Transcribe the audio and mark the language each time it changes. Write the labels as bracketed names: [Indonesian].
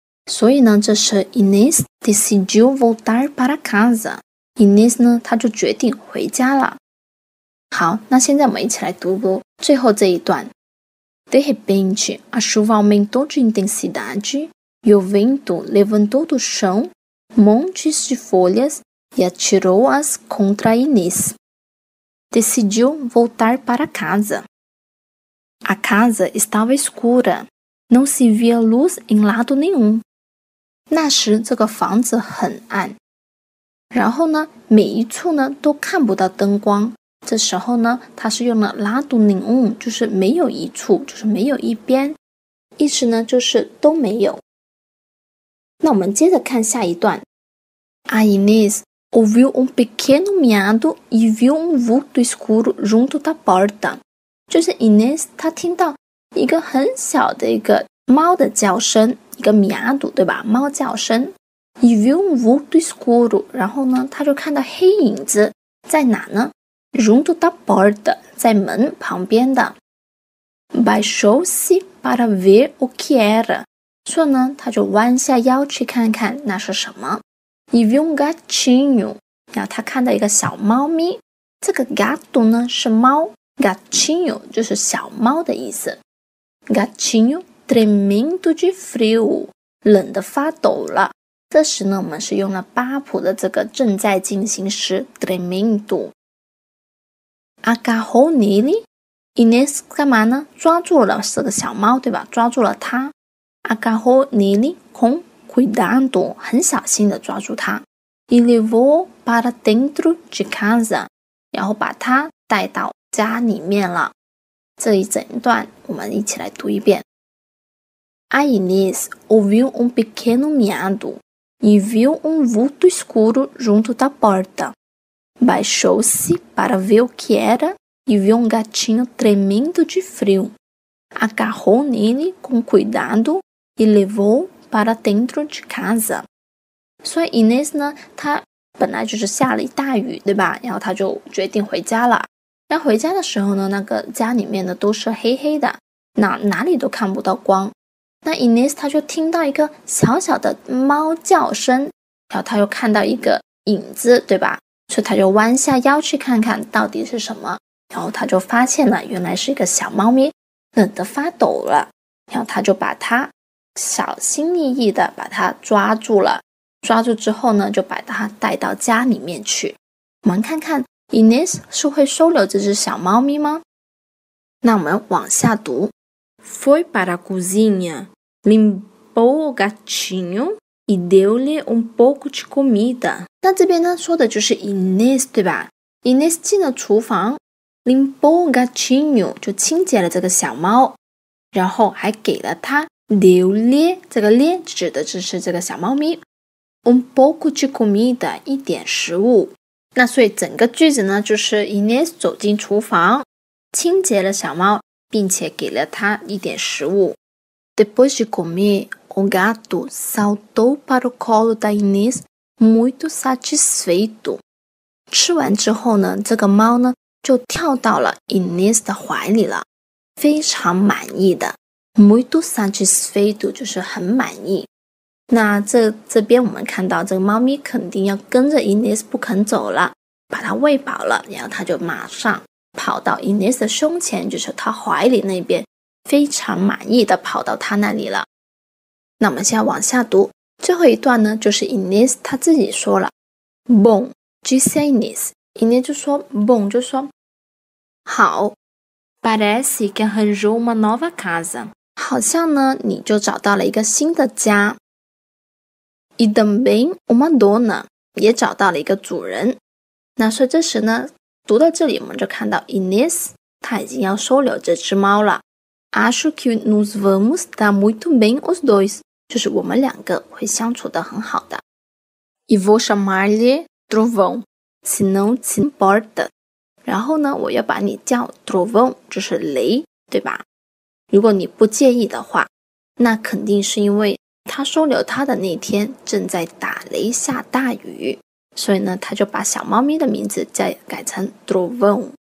[Chinese] 所以呢，这是 Inês [Portuguese] decidiu voltar para casa。 [Chinese] Inês 呢，他就决定回家了。好，那现在我们一起来读读最后这一段。 [Portuguese] De repente, a chuva aumentou de intensidade, e o vento levantou do chão montes de folhas e atirou-as contra Inês. Decidiu voltar para casa. A casa estava escura, não se via luz em lado nenhum. [Chinese] 那时这个房子很暗，然后呢，每一处呢都看不到灯光。这时候呢，他是用了 lado nenhum， 就是没有一处，就是没有一边，意思呢就是都没有。那我们接着看下一段。 [Portuguese] A Inês ouviu pequeno miado e viu vulto escuro junto da porta。 [Chinese] 就是 Inês 他听到一个很小的一个猫的叫声，一个miado，对吧？猫叫声。 [Portuguese] E viu vulto escuro， [Chinese] 然后呢，他就看到黑影子在哪呢？ [Portuguese] Junto da porta， [Chinese] 在门旁边的。 [Portuguese] Baixou-se para ver o que era， [Chinese] 所以呢，他就弯下腰去看看那是什么。 [Portuguese] E viu um gatinho， [Chinese] 然后他看到一个小猫咪。这个 gato 呢是猫， gatinho 就是小猫的意思。 [Portuguese] Gatinho tremendo de frio， [Chinese] 冷得发抖了。这时呢，我们是用了八普的这个正在进行时 tremendo。 [Portuguese] Agarrou nele, [Chinese] Inês 干嘛呢？抓住了这个小猫，对吧？抓住了它。 [Portuguese] Agarrou nele com cuidado， [Chinese] 很小心的抓住它。 [Portuguese] E levou para dentro de casa， [Chinese] 然后把它带到家里面了。这一整段我们一起来读一遍。 [Portuguese] A Inês ouviu pequeno miado e viu vulto escuro junto da porta. Baixou-se para ver o que era e viu gatinho tremendo de frio. Agarrou nele com cuidado e levou para dentro de casa. [Chinese] 所以 Inês 呢，她本来就是下了一大雨，对吧？然后她就决定回家了。那回家的时候呢，那个家里面呢都是黑黑的，哪里都看不到光。那 Inês 她就听到一个小小的猫叫声，然后她又看到一个影子，对吧？所以他就弯下腰去看看到底是什么，然后他就发现了原来是一个小猫咪，冷得发抖了，然后他就把它小心翼翼的把它抓住了，抓住之后呢就把它带到家里面去。我们看看 Inês 是会收留这只小猫咪吗？那我们往下读。 [Portuguese] Foi para a cozinha, limpou o gatinho e deu-lhe pouco de comida。 [Chinese] 那这边呢说的就是 Inês， 对吧？ Inês 进了厨房， [Portuguese] limpou o gatinho [Chinese] 就清洁了这个小猫，然后还给了它 [Portuguese] deu-lhe， [Chinese] 这个 lhe 指的就是这个小猫咪， [Portuguese] pouco de comida， [Chinese] 一点食物。那所以整个句子呢就是 Inês 走进厨房清洁了小猫，并且给了它一点食物。 [Portuguese] Depois de comer o gato saltou para o colo da InêsMuito satisfeito。 [Chinese] 吃完之后呢，这个猫呢就跳到了 Inês 的怀里了，非常满意的。 [Portuguese] Muito satisfeito [Chinese] 就是很满意。那这边我们看到这个猫咪肯定要跟着 Inês 不肯走了，把它喂饱了，然后它就马上跑到 Inês 的胸前，就是它怀里那边，非常满意的跑到它那里了。那我们现在往下读。最后一段呢就是 Inês 她自己说了 [Portuguese] Bom, disse Inês。 [Chinese] Inês 就说 Bom, 就说好。 [Portuguese] Parece que arranjou uma nova casa。 [Chinese] 好像呢你就找到了一个新的家。 [Portuguese] E também uma dona。 [Chinese] 也找到了一个主人。那所以这时呢读到这里，我们就看到 Inês 她已经要收留这只猫了。 [Portuguese] Acho que nos vamos dar muito bem os dois。 [Chinese] 就是我们两个会相处得很好的。 [Portuguese] E vou chamar-lhe Trovão, se não te importa。 [Chinese] 然后呢，我要把你叫 Trovão， 就是雷，对吧？如果你不介意的话，那肯定是因为他收留他的那天正在打雷下大雨，所以呢，他就把小猫咪的名字再改成 Trovão。